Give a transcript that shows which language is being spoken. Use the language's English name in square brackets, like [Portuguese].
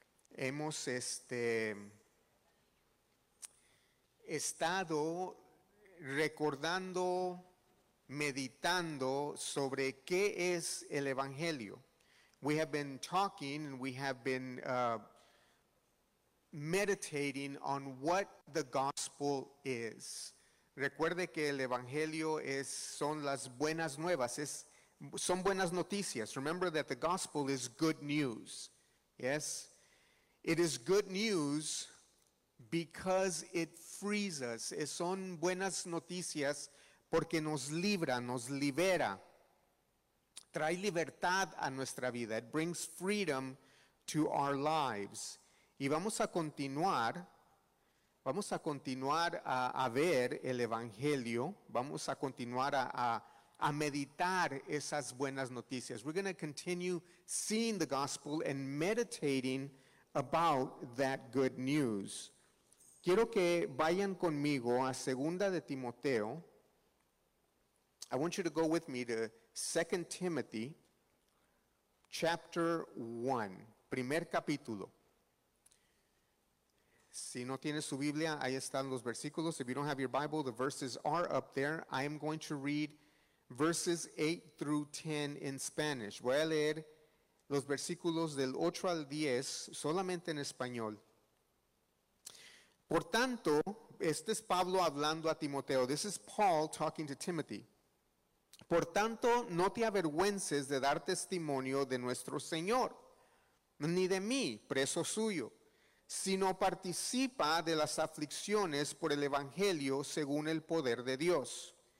[Spanish] Hemos estado recordando, meditando sobre qué es el evangelio. [English] We have been talking and we have been meditating on what the gospel is. [Spanish] Recuerde que el evangelio son las buenas nuevas, son buenas noticias. [English] Remember that the gospel is good news. Yes, it is good news because it frees us. [Spanish] Son buenas noticias porque nos libra, nos libera. Trae libertad a nuestra vida. [English] It brings freedom to our lives. [Spanish] Y vamos a continuar a ver el evangelio. Vamos a continuar a meditar esas buenas noticias. [English] We're going to continue seeing the gospel and meditating about that good news. [Spanish] Quiero que vayan conmigo a Segunda de Timoteo. [English] I want you to go with me to 2 Timothy chapter 1, [Spanish] primer capítulo. Si no tienes su Biblia, ahí están los versículos. [English] If you don't have your Bible, the verses are up there. I am going to read verses 8 through 10 in Spanish. [Spanish] Voy a leer los versículos del 8 al 10 solamente en español. Por tanto, este es Pablo hablando a Timoteo. [English] This is Paul talking to Timothy. [Spanish] Por tanto, no te avergüences de dar testimonio de nuestro Señor, ni de mí, preso suyo, sino participa de las aflicciones por el Evangelio según el poder de Dios,